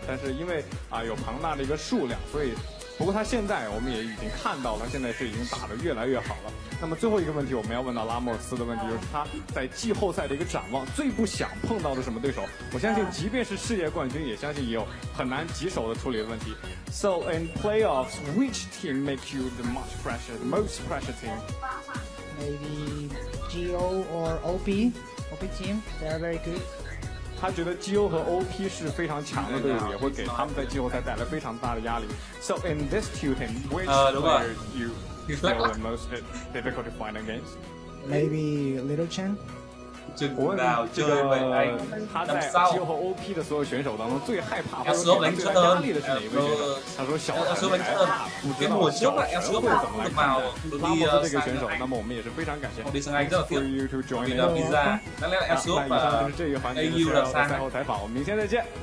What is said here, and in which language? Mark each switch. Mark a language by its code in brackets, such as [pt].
[zh] 但是因为有庞大的一个数量，所以不过他现在我们也已经看到了，现在是已经打得越来越好了。那么最后一个问题，我们要问到拉莫斯的问题，就是他在季后赛的一个展望，最不想碰到的什么对手？我相信，即便是世界冠军，也相信也有很难棘手的处理的问题。 [en] So in playoffs, which team make you the much pressure, the most pressure team? Maybe GO or OP team, they are very good. [zh] 他觉得 GO 和 OP 是非常强的队伍，也会给他们在季后赛带来非常大的压力。 [en] So in this two teams, which player do you feel the most difficult to find against? Maybe Little Chen。 [zh] 我问这个他在季后 OP 的所有选手当中最害怕或者最大压力的是哪一位选手？他说小海还是大，不知道小海会怎么来看待拉莫斯这个选手。那么我们也是非常感谢 [en] for you to join in。 [zh] 那以上就是这一环节的赛后采访，我们明天再见。